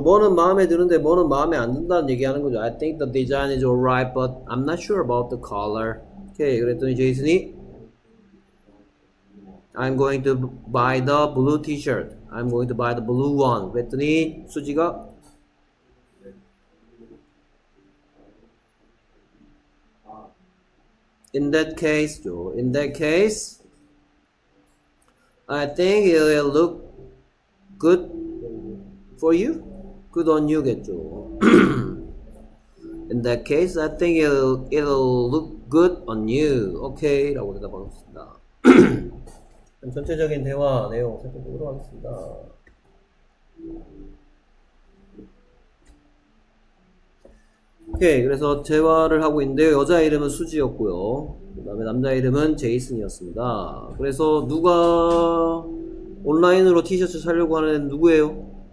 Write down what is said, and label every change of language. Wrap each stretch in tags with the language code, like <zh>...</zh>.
<ko>뭐는 마음에 드는데 뭐는 마음에 안 든다는 얘기하는 거죠.</ko> <en>I think the design is alright, but I'm not sure about the color.</en> <ko>오케이. 그랬더니 제이슨이</ko> <en>I'm going to buy the blue t-shirt. I'm going to buy the blue one.</en> <ko>그랬더니 수지가</ko> <en>In that case, I think it will look good for you. Good on you, 겠죠. In that case, I think it'll look good on you.</en> <ko>Okay, 라고 대답하겠습니다. 전체적인 대화 내용 살펴보도록 하겠습니다. 오케이, 그래서 대화를 하고 있는데요. 여자 이름은 수지였고요. 그 다음에 남자 이름은 제이슨이었습니다. 그래서 누가 온라인으로 티셔츠 사려고 하는 애는 누구예요?</ko>